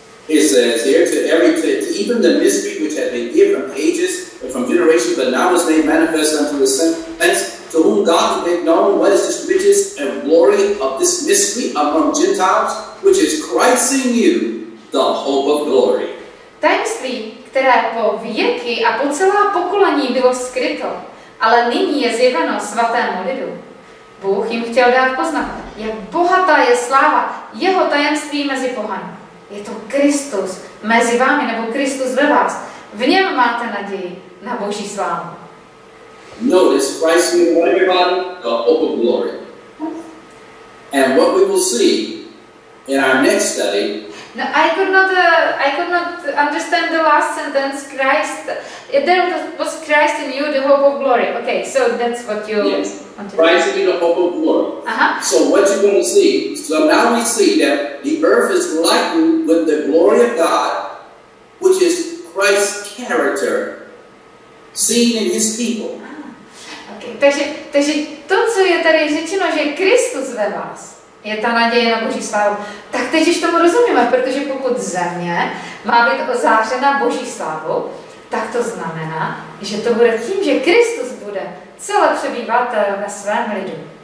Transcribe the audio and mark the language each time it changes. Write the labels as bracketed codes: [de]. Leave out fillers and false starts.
[en] It says here, to even the mystery which had been given from ages and from generations, but now is made manifest unto the saints, to whom God has made known what is the riches and glory of this mystery among Gentiles, which is Christ in you, the hope of glory. [cs] Tajemství, které po věky a po celá pokolení bylo skryto, ale nyní je zjeveno svatému lidu. Bůh jim chtěl dát poznat, jak bohatá je sláva jeho tajemství mezi pohany. Je to Kristus mezi vámi, nebo Kristus ve vás. V něm máte naději na Boží slávu. [en] Notice Christ in one of your body, the hope of glory. And what we will see in our next study. No, I could not understand the last sentence. Christ, there was Christ in you, the hope of glory. Okay, so that's what you. Yes. Christ in you, the hope of glory. Uh-huh. So what you're going to see? So now we see that the earth is lightened with the glory of God, which is Christ's character, seen in His people. [cs] Okay. Takže to, co je tady řečeno, že Kristus ve vás. Je ta naděje na Boží slávu. Tak teď už tomu rozumíme, protože pokud Země má být ozářena Boží slávou, tak to znamená, že to bude tím, že Kristus bude celé přebývat ve svém lidu.